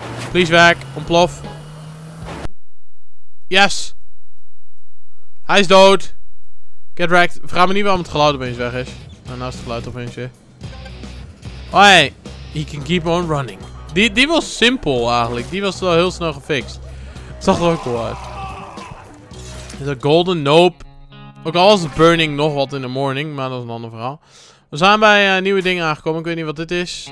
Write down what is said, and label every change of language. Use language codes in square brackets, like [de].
[nl] Please werk, ontplof. Yes! Hij is dood. [en] Get wrecked. [nl] Vraag me niet waarom het geluid opeens weg is. Daarnaast het geluid opeens weer. [en] Oh hey, he can keep on running. [nl] Die was simpel eigenlijk. Die was wel heel snel gefixt. Zag er ook cool uit. Is dat golden? Nope. Ook al was het burning nog wat in de morning, maar dat is een ander verhaal. We zijn bij nieuwe dingen aangekomen. Ik weet niet wat dit is.